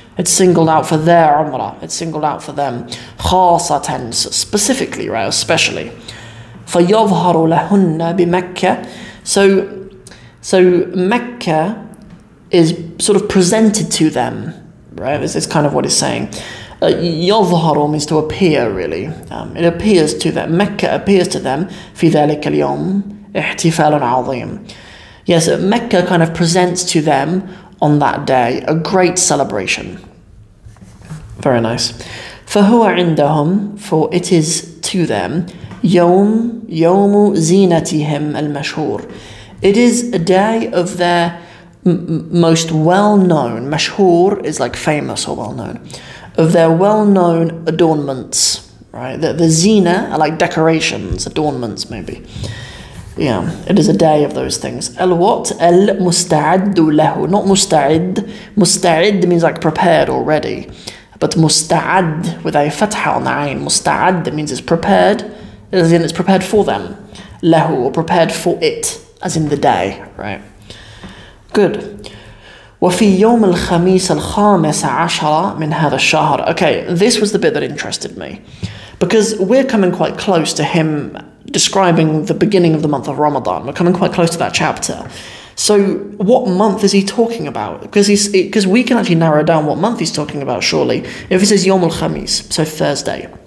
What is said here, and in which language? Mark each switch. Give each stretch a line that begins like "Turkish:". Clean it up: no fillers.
English: It's singled out for their umrah. It's singled out for them. خاصة, specifically, right, especially.
Arabic: فيظهر لهن بمكة.
English: So Mecca is sort of presented to them, right? This is kind of what it's saying. يظهر means to appear, really. It appears to them. Mecca appears to them.
Arabic: في ذلك اليوم احتفال عظيم.
English: Yes, Mecca kind of presents to them on that day a great celebration. Very nice.
Arabic: فهو عندهم,
English: for it is to them,
Arabic: يوم زينتهم المشهور.
English: It is a day of their most well-known, mashhur is like famous or well-known, of their well-known adornments, right? The zina are like decorations, adornments maybe. Yeah, it is a day of those things. Al-what? Al-musta'addu lahu. Not musta'id. Musta'id means like prepared already. But musta'ad with a fatha on the ayn. Musta'ad means it's prepared, as in it's prepared for them. Lahu, or prepared for it. As in the day, right? Good.
Arabic: وفي يوم الخميس الخامس عشر من هذا الشهر.
English: Okay, this was the bit that interested me, because we're coming quite close to him describing the beginning of the month of Ramadan. We're coming quite close to that chapter. So what month is he talking about? Because he's, because we can actually narrow down what month he's talking about, surely. If he says Yom al-Khamis, so Thursday.